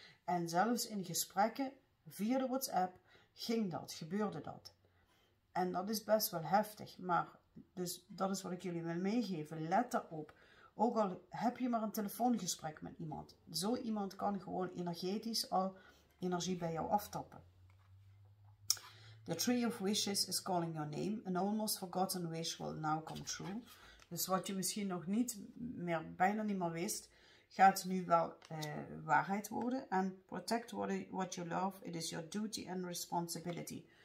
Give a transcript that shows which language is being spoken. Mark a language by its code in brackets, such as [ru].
[nl] En zelfs in gesprekken via de WhatsApp ging dat, gebeurde dat. En dat is best wel heftig. Maar dus dat is wat ik jullie wil meegeven. Let daarop. Ook al heb je maar een telefoongesprek met iemand. Zo iemand kan gewoon energetisch al energie bij jou aftappen. [en] The Tree of Wishes is calling your name. An almost forgotten wish will now come true. [nl] Dus wat je misschien nog niet meer, bijna niet meer wist, gaat nu wel waarheid worden. [en] En protect what you love. It is your duty and responsibility.